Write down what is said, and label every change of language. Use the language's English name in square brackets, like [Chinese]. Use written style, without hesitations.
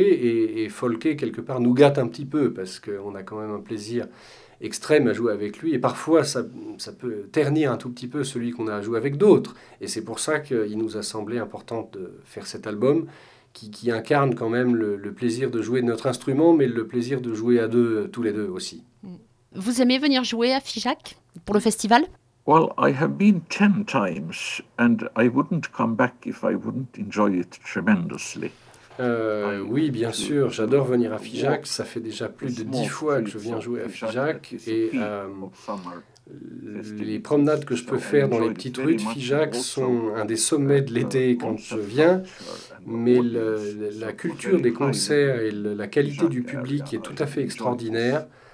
[French] Et Folke, quelque part, nous gâte un petit peu parce qu'on a quand même un plaisir extrême à jouer avec lui. Et parfois, ça peut ternir un tout petit peu celui qu'on a à jouer avec d'autres. Et c'est pour ça qu'il nous a semblé important de faire cet album qui incarne quand même le plaisir de jouer de notre instrument, mais le plaisir de jouer à deux, tous les deux aussi. Vous aimez venir jouer à Figeac pour le festival ? [English] Well, I have been 10 times and I wouldn't come back if I wouldn't enjoy it tremendously. [French] Oui, bien sûr, j'adore venir à Figeac. Ça fait déjà plus de 10 fois que je viens jouer à Figeac. Et les promenades que je peux faire dans les petites rues de Figeac sont un des sommets de l'été quand je viens. Mais la culture des concerts et la qualité du public est tout à fait extraordinaire.